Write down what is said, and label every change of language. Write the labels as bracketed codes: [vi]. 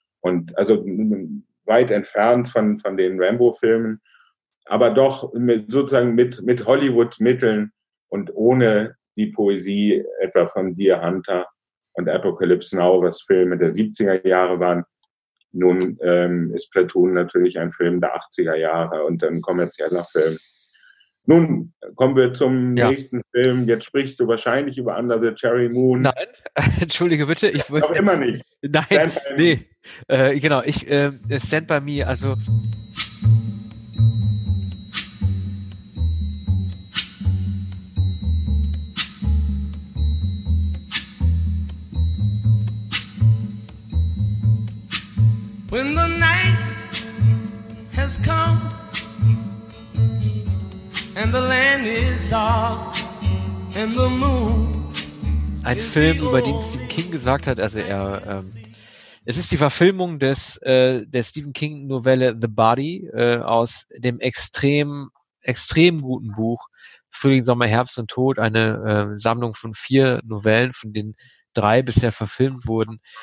[de] Und also weit entfernt von den Rambo-Filmen, aber doch mit Hollywood-Mitteln und ohne die Poesie etwa von Dear Hunter und Apocalypse Now, was Filme der 70er Jahre waren. Nun ist Platoon natürlich ein Film der 80er Jahre und ein kommerzieller Film. Nun kommen wir zum nächsten Film. Jetzt sprichst du wahrscheinlich über Under the Cherry Moon. Nein, entschuldige bitte. Ich will noch immer nicht. Nein, nee. Genau, ich Stand by Me, also [en] when the night has come and the land is dark and the moon. [de] Ein Film, über den Stephen King gesagt hat, also er es ist die Verfilmung der Stephen King-Novelle The Body aus dem extrem extrem guten Buch Frühling, Sommer, Herbst und Tod, eine Sammlung von 4 Novellen, von denen 3 bisher verfilmt wurden.